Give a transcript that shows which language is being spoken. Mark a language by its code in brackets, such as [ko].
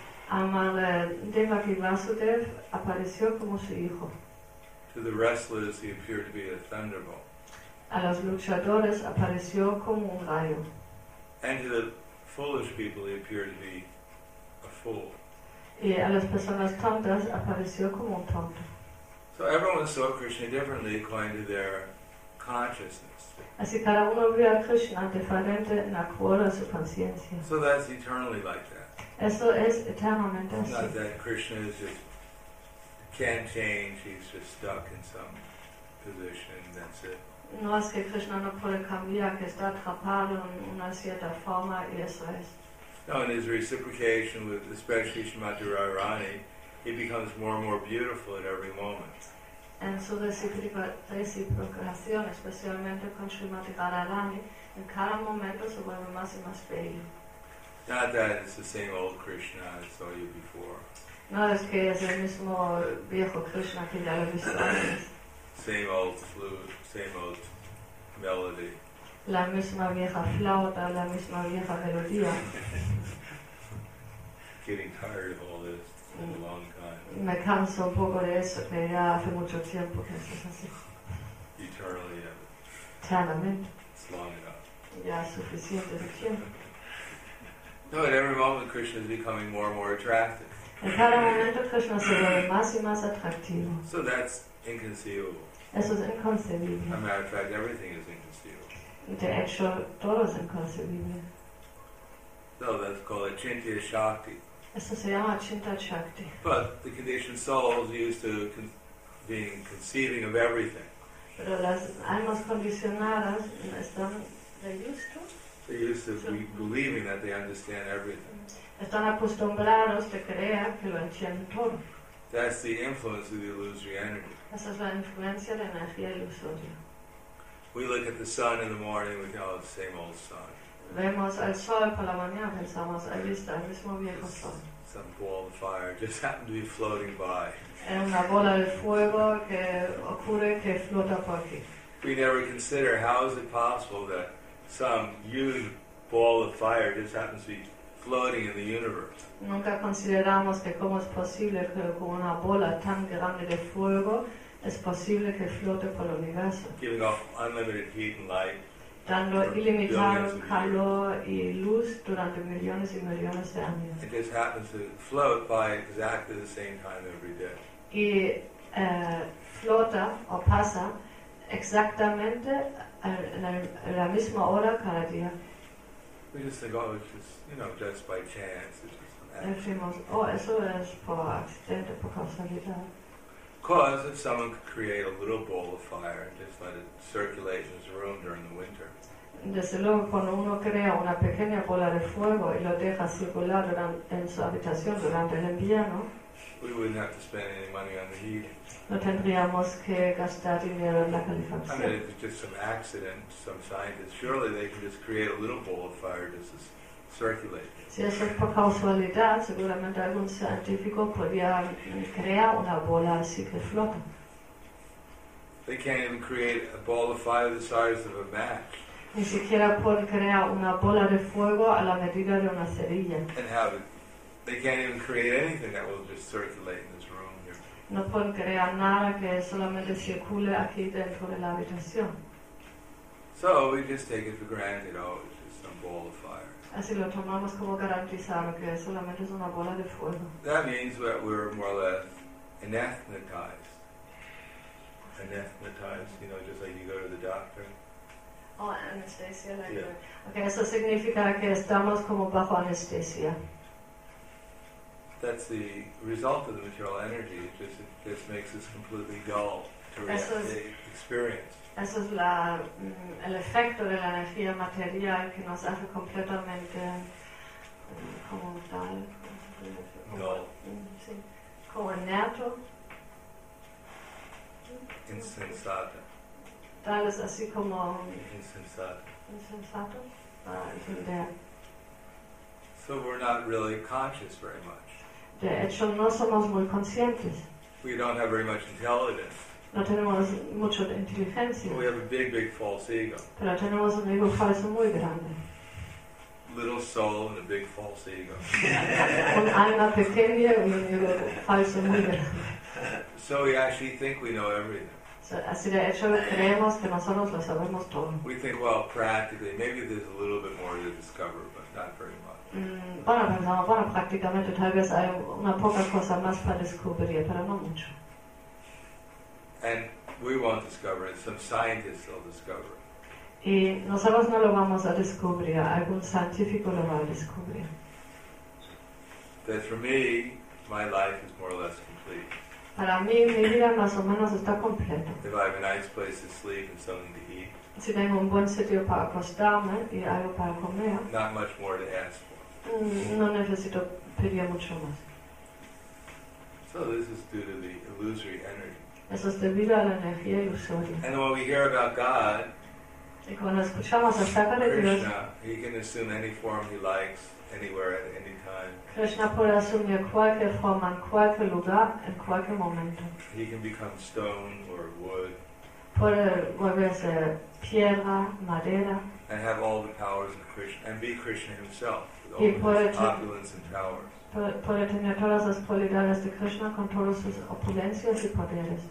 [es] A Mother Devaki Vasudev apareció como su hijo. [en] To the wrestlers, he appeared to be a thunderbolt. [es] A los luchadores apareció como un rayo. [en] And to the foolish people, he appeared to be a fool. [es] Y a las personas tontas apareció como un tonto. [en] So everyone saw Krishna differently according to their consciousness. [es] Así cada uno vio a Krishna diferente en acuerdo a su conciencia. [en] So that's eternally like that. [es] Eso es eternamente así. [en] Not that Krishna is just can't change, he's just stuck in some position, that's it. [es] No es que Krishna no puede cambiar, que está atrapado en una cierta forma, y eso es. [en] No, in his reciprocation with especially Srimati Radharani, he becomes more and more beautiful at every moment. [es] En su reciprocación, especialmente con Srimati Radharani, en cada momento se vuelve más y más bello. [en] Not that it's the same old Krishna I saw you before. [es] No es que es el mismo viejo Krishna que ya lo he visto antes. [en] Same old flute, same old melody. [es] La misma vieja flauta, la misma vieja melodía. [en] Getting tired of all this for a long time. [es] Me canso un poco de eso, que ya hace mucho tiempo que eso es así. [en] Eternally, yeah. [es] Eternamente. [en] It's long enough. [es] Ya suficiente de tiempo. [en] No, at every moment Krishna is becoming more and more attractive. [es] En cada momento Krishna se vuelve más y más atractivo. [en] So that's inconceivable. [es] Eso es inconcebible. [en] As a matter of fact, everything is inconceivable. [es] De hecho, todo es inconcebible. [en] So that's called a chintya shakti. [es] Eso se llama chinta shakti. [en] But the conditioned soul is used to being conceiving of everything. [es] Pero las almas condicionadas están reyusto. [en] They're used to believing that they understand everything. [es] Están acostumbrados de creer que lo entienden todo. [en] That's the influence of the illusory energy. [es] Esa es la influencia de energía ilusoria. [en] We look at the sun in the morning, we call it the same old sun. [es] Vemos al sol por la mañana, pensamos, ahí está el mismo viejo sol. [en] Some ball of fire just happened to be floating by. [es] En una bola de fuego que ocurre que flota por aquí. [en] We never consider how is it possible that some huge ball of fire just happens to be floating in the universe. [es] Nunca consideramos que cómo es posible que con una bola tan grande de fuego es posible que flote por el universo. [en] Giving off unlimited heat and light. [es] Dando ilimitado calor y luz durante millones y millones de años. [en] It just happens to float by exactly the same time every day. [es] Y flota o pasa exactamente la misma hora cada día. [en] We just think, oh, it's just, you know, just by chance. [es] Decimos, oh, eso es por accidente, por casualidad. [en] Because if someone could create a little ball of fire and just let it circulate in his room during the winter. [es] Desde luego, cuando uno crea una pequeña bola de fuego y lo deja circular en su habitación durante el invierno, [en] we wouldn't have to spend any money on the heating. [es] No tendríamos que gastar dinero en la calefacción. [en] I mean, if it's just some accident, some scientist, surely they can just create a little ball of fire just as circulate. [es] Si eso es por causalidad, seguramente algún científico podría crear una bola así que flota. [en] They can't even create a ball of fire the size of a match. [es] Ni siquiera pueden crear una bola de fuego a la medida de una cerilla. [en] And have it. They can't even create anything that will just circulate in this room here. [es] No pueden crear nada que solamente circule aquí dentro de la habitación. [en] So we just take it for granted, oh, it's just some ball of fire. [es] Así lo tomamos como garantizado que solamente es una bola de fuego. [en] That means that we're more or less anesthetized, you know, just like you go to the doctor. Oh, anesthesia, like yeah. Okay, [es] eso significa que estamos como bajo anestesia. [en] That's the result of the material energy. It just makes us completely dull to the experience. [es] Eso es la, el efecto de la energía material que nos hace completamente como tal. [en] Dull. [es] Sí. Como inerto. Insensato. Tal es así como. Insensato. Insensato. [en] So we're not really conscious very much. [es] De hecho, no somos muy conscientes. [en] We don't have very much intelligence. [es] No tenemos mucho de inteligencia. [en] We have a big, big false ego. [es] Pero tenemos un ego falso muy grande. [en] Little soul and a big false ego. [es] Un alma pequeña y un ego falso muy grande. [en] So we actually think we know everything. [es] Así de hecho, creemos que nosotros lo sabemos todo. [en] We think, well, practically, maybe there's a little bit more to discover, but not very much. [es] Bueno, pensamos, bueno, prácticamente tal vez hay una poca cosa más para descubrir, pero no mucho. [en] And we won't discover it, some scientists will discover it. [es] Y nosotros no lo vamos a descubrir, algún científico lo va a descubrir. [en] That for me, my life is more or less complete. [es] Para mí, mi vida más o menos está completa. [en] If I have a nice place to sleep and something to eat. [es] Si tengo un buen sitio para acostarme y algo para comer. [en] Not much more to ask. [es] No necesito pedir mucho más. [en] So this is due to the illusory energy. [es] Eso es debido a la energía ilusoria. [en] And when we hear about God, [es] y cuando escuchamos acerca de [en] Krishna, [es] Dios, [en] he can assume any form he likes, anywhere, at any time. [es] Krishna puede asumir cualquier forma, en cualquier lugar, en cualquier momento. [en] He can become stone or wood. [es] Puede volverse piedra, madera. [en] And have all the powers of Krishna, and be Krishna himself. Opulence and powers. [es] Puede tener todas las cualidades de Krishna con todas sus opulencias y poderes.